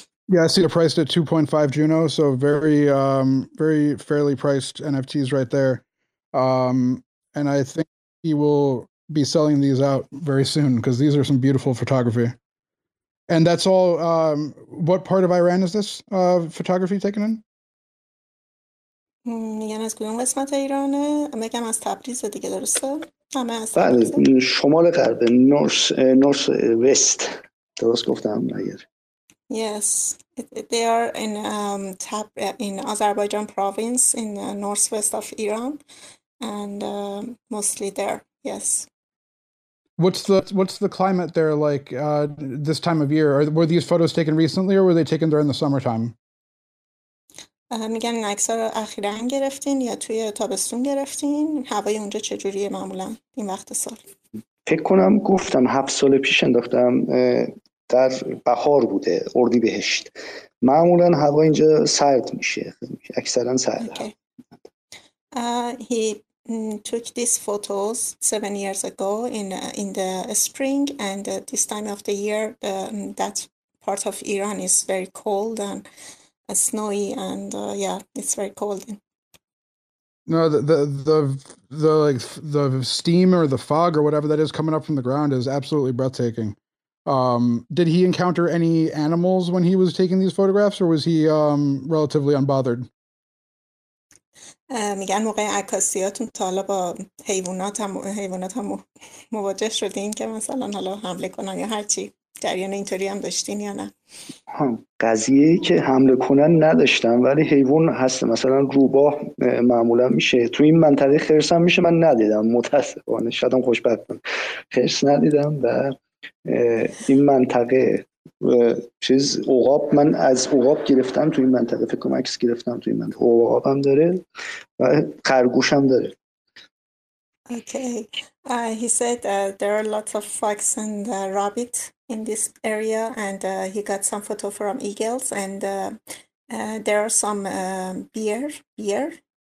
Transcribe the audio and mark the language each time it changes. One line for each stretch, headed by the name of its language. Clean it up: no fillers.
English: Yeah, I see the price at 2.5 Juno, so very very fairly priced NFTs right there. And I think he will be selling these out very soon, because these are some beautiful photography. And that's all. What part of Iran is this photography taken in?
Persian: میگن از کدوم قسمت ایرانه؟ میگم از تبریز دیگه، درسته؟ همه از تبریز. بله، شمال غرب،
English: North west.
Persian: درست گفتم اگر.
English: Yes, they are in in Azerbaijan province in northwest of Iran, and mostly there. Yes. What's the climate there like this time of year? Were these photos taken recently, or were they taken during the summertime?
Persian: میگن اکثر اخیراً گرفتین یا توی تابستون گرفتین؟ هوای اونجا چجوریه معمولاً این وقت سال؟ فکر کنم گفتم 7 سال پیش انداختم، در بهار بوده، اردیبهشت. معمولاً هوا اینجا سرد میشه، اکثراً سرد.
English: Okay. He took these photos 7 years ago in the spring, and this time of the year that part of Iran is very cold and snowy, and it's very cold. No, the steam or the fog or whatever that is coming up from the ground is absolutely breathtaking. Did he encounter any animals when he was taking these photographs, or was he relatively unbothered?
Persian: میگن موقع عکاسیاتون تا حالا با حیوانات هم مواجه شدین که مثلا حالا حمله کنن یا هرچی؟ جریان اینطوری هم داشتین یا نه؟ قضیه که حمله کنن نداشتم، ولی حیوان هست، مثلا روباه معمولا میشه تو این منطقه، خرس هم میشه، من ندیدم متاسفانه، شاید هم خوشبخت بودم خرس ندیدم. و این منطقه چیز عقاب، من از عقاب گرفتم تو این منطقه، فکر کنم عکس گرفتم تو این منطقه، عقاب هم داره و خرگوش هم داره.
English: Okay. He said there are lots of fox and rabbit in this area, and he got some photo from eagles, and there are some bear.